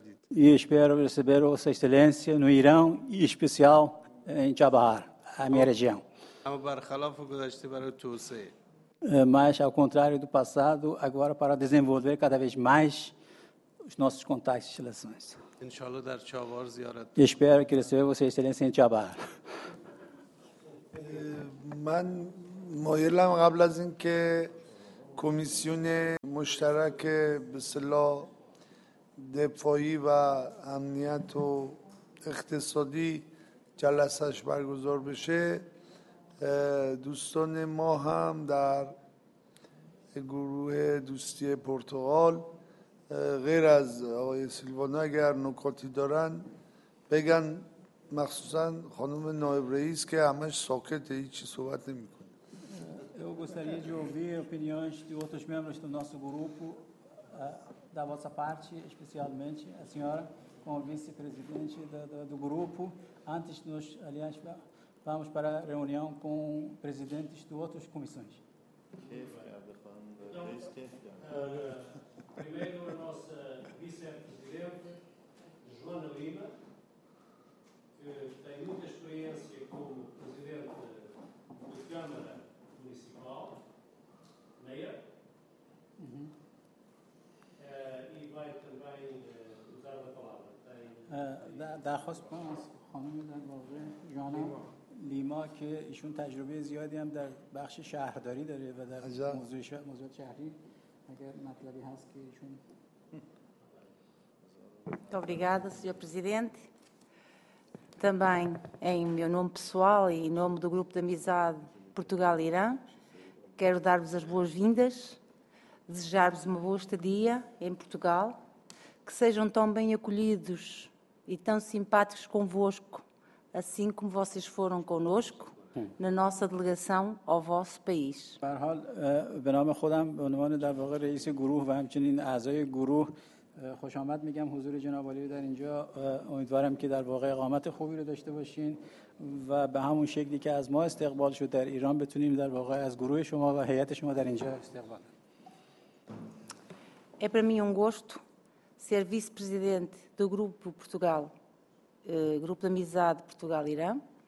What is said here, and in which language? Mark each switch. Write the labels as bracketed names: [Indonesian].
[Portuguese] E espero receber a Vossa Excelência no Irã, e em especial em Chabahar, a minha região. [Persian] اما برخلاف گذشته برای توسعه. [Portuguese] Mas ao contrário do passado, agora para desenvolver cada vez mais os nossos contatos e relações. [Persian] Inshallah dar Chabar ziyarat. [Portuguese] Espero que receba você excelência em Chabar. [Persian] من مایلم قبل از اینکه کمیسیون مشترک به اصطلاح دفاعی و امنیت و اقتصادی جلسه‌اش برگزار بشه، دوستان ما هم در گروه دوستی پرتغال غیر از آقای سیلوانا اگر نکاتی دارن بگن، مخصوصا خانم نایب رئیس که همش ساکته، هیچی صحبت نمی کنه. [Portuguese] Eu gostaria de ouvir opiniões de outros membros do nosso grupo, da vossa parte, especialmente a senhora, como vice-presidente do grupo. Antes de nós, aliás, vamos para a reunião com presidentes de outras comissões. Então, primeiro a nossa vice-presidente, Joana Lima, que tem muita experiência como presidente da Câmara Municipal, Meia, e vai também usar a palavra. Da resposta, [Persian] Joana لیما که ایشون تجربه زیادی هم در بخش شهرداری داره و در موضوع شهری، اگر مطلبی هست که ایشون. [Portuguese] Muito obrigada, senhor presidente. Também em meu nome pessoal e em nome do grupo de amizade Portugal-Irã, quero dar-vos as boas-vindas, desejar-vos uma boa estadia em Portugal, que sejam tão bem acolhidos e tão simpáticos convosco, assim como vocês foram conosco na nossa delegação ao vosso país. [Persian] برحال به نام خودم به عنوان در واقع رئیس گروه و همچنین اعضای گروه خوش آمد میگم حضور جناب علی در اینجا. امیدوارم که در واقع اقامت خوبی رو داشته باشین و به همون شکلی که از ما استقبال شد در ایران بتونیم در واقع از گروه شما و هیئت شما در اینجا استقبال. [Portuguese] É para mim gosto ser vice-presidente do grupo Portugal Grupo de Amizade Portugal-Irã.